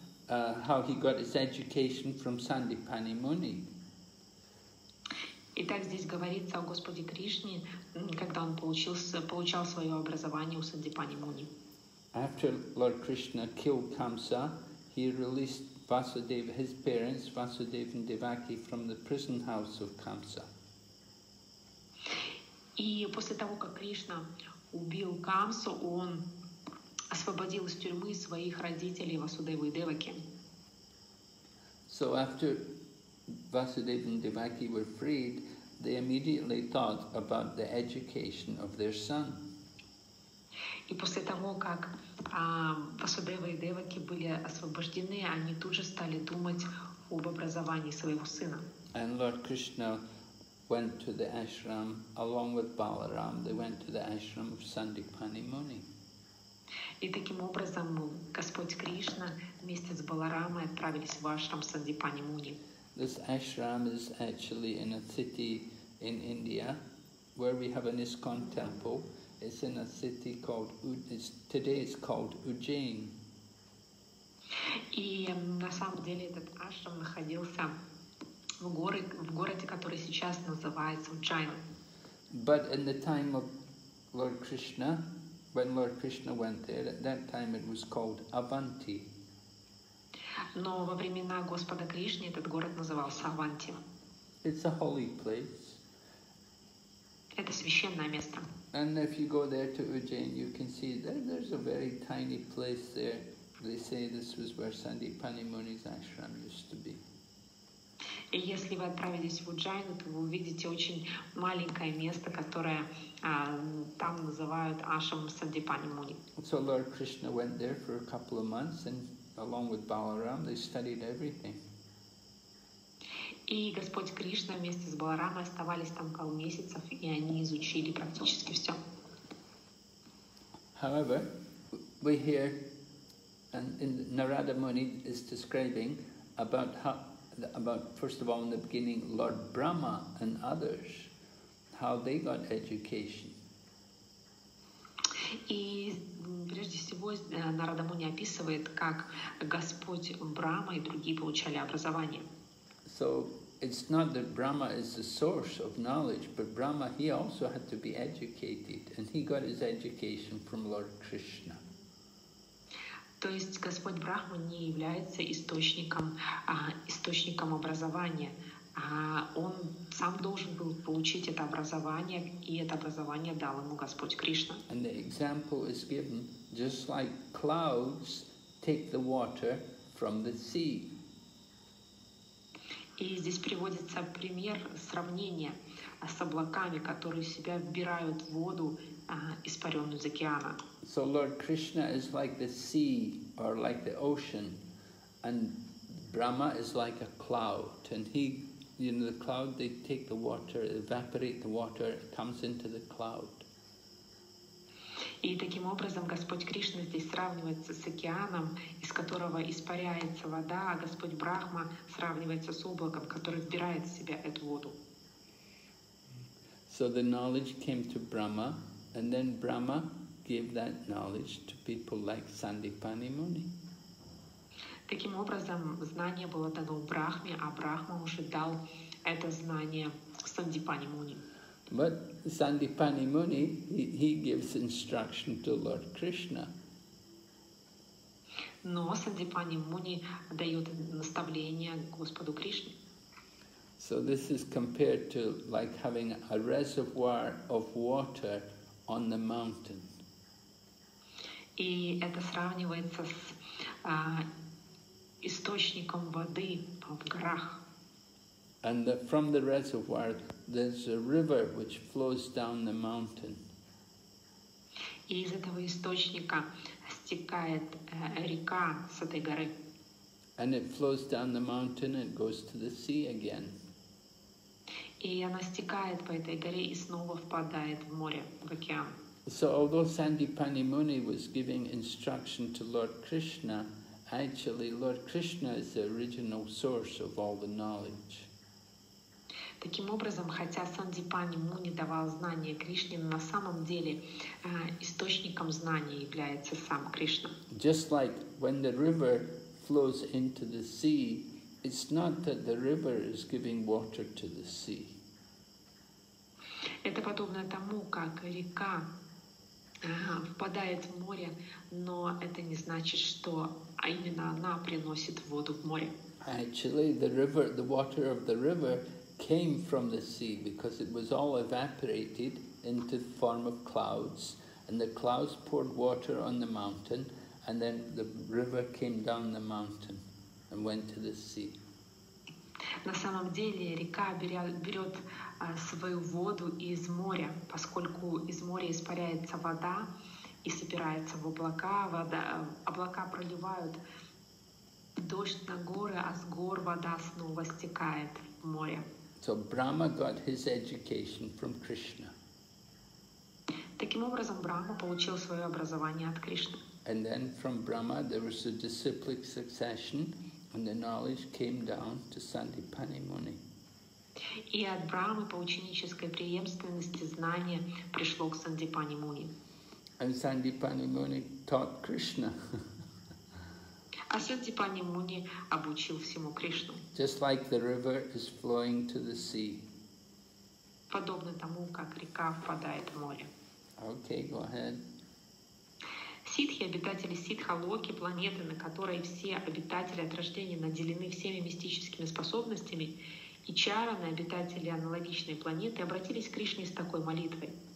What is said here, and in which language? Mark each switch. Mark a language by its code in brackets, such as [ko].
[en] How he got his education from Sandipani Muni. [ru] Итак, здесь говорится о Господе Кришне, когда он получал свое образование у Сандипани Муни. [en] After Lord Krishna killed Kamsa, he released Vasudeva, his parents, Vasudeva and Devaki, from the prison house of Kamsa. [ru] И после того, как Кришна убил Камсу, он освободил из тюрьмы своих родителей Васудеву и Деваки. [en] So after Vasudeva and Devaki were freed, they immediately thought about the education of their son. [ru] И после того, как Васудева и Деваки были освобождены, они тут же стали думать об образовании своего сына. [en] And Lord Krishna went to the ashram along with Balaram. They went to the ashram of Sandipani Muni. [ru] И таким образом Господь Кришна вместе с Баларамой отправились в ашрам Сандипани Муни. [en] This ashram is actually in a city in India where we have an ISKCON temple. It's in a city called, today it's called Ujjain. [ru] И на самом деле этот ашрам находился в городе, который сейчас называется Ujjain. [en] But in the time of Lord Krishna, when Lord Krishna went there, at that time it was called Avanti. [ru] Но во времена Господа Кришны этот город назывался Аванти. [en] It's a holy place. [ru] Это священное место. [en] And if you go there to Ujjain, you can see that there's a very tiny place there. They say this was where Sandipani Muni's ashram used to be. [ru] И если вы отправитесь в Ujjain, то вы увидите очень маленькое место, которое там называют ашрамом Сандипани Муни. [en] So Lord Krishna went there for a couple of months, and along with Balaram, they studied everything. [ru] И Господь Кришна вместе с Баларамой оставались там около месяцев, и они изучили практически все. [en] However, we hear, and Narada Muni is describing about first of all in the beginning Lord Brahma and others, how they got education. [ru] И прежде всего Нарада Муни описывает, как Господь Брахма и другие получали образование. [en] So it's not that Brahma is the source of knowledge, but Brahma, he also had to be educated, and he got his education from Lord Krishna. [ru] То есть Господь Брахма не является источником образования. Он сам должен был получить это образование, и это образование дал ему Господь Кришна. [en] And the example is given, just like clouds take the water from the sea. [ru] И здесь приводится пример сравнения с облаками, которые в себя вбирают воду, испаренную из океана. [en] So Lord Krishna is like the sea or like the ocean, and Brahma is like a cloud, and he, you know, the cloud, they take the water, evaporate the water, it comes into the cloud. [ru] И таким образом Господь Кришна здесь сравнивается с океаном, из которого испаряется вода, а Господь Брахма сравнивается с облаком, который вбирает в себя эту воду. [en] So the knowledge came to Brahma, and then Brahma give that knowledge to people like Sandipani Muni. [ru] Таким образом, знание было дано Брахме, а Брахма уже дал это знание Сандипани Муни. [en] But Sandipani Muni, he gives instruction to Lord Krishna. [ru] Но Сандипани Муни дает наставление Господу Кришне. [en] So this is compared to like having a reservoir of water on the mountain. [ru] И это сравнивается с источником воды в горах. [en] And the, from the reservoir, there's a river which flows down the mountain. [ru] И из этого источника стекает река с этой горы. [en] And it flows down the mountain and goes to the sea again. [ru] И она стекает по этой горе и снова впадает в море, в океан. [en] So although Sandipani Muni was giving instruction to Lord Krishna, actually Lord Krishna is the original source of all the knowledge. [ru] Таким образом, хотя Сандипани Муни давал знания Кришне, на самом деле источником знания является сам Кришна. [en] Just like when the river flows into the sea, it's not that the river is giving water to the sea. [ru] Это подобно тому, как река впадает в море, но это не значит, что именно она приносит воду в море. [en] Actually, the river, the water of the river came from the sea because it was all evaporated into the form of clouds, and the clouds poured water on the mountain, and then the river came down the mountain and went to the sea. [ru] На самом деле река берет свою воду из моря, поскольку из моря испаряется вода и собирается в облака. Облака проливают дождь на горы, а с гор вода снова стекает в море. [en] So Brahma got his education from Krishna. [ru] Таким образом, Брахма получил свое образование от Кришны. [en] And then from Brahma there was a disciplic succession. And the knowledge came down to Sandipani Muni. [ru] И от Брахмы по ученической преемственности знание пришло к Сандипани Муни. [en] And Sandipani Muni taught Krishna. [ru] А Сандипани Муни обучил всему Кришну. [en] Just like the river is flowing to the sea. [ru] Подобно тому, как река впадает в море. [en] Okay, go ahead. [ru] Ситхи, обитатели Ситха-Локи, планеты, на которой все обитатели от рождения наделены всеми мистическими способностями, и Чараны, обитатели аналогичной планеты, обратились к Кришне с такой молитвой.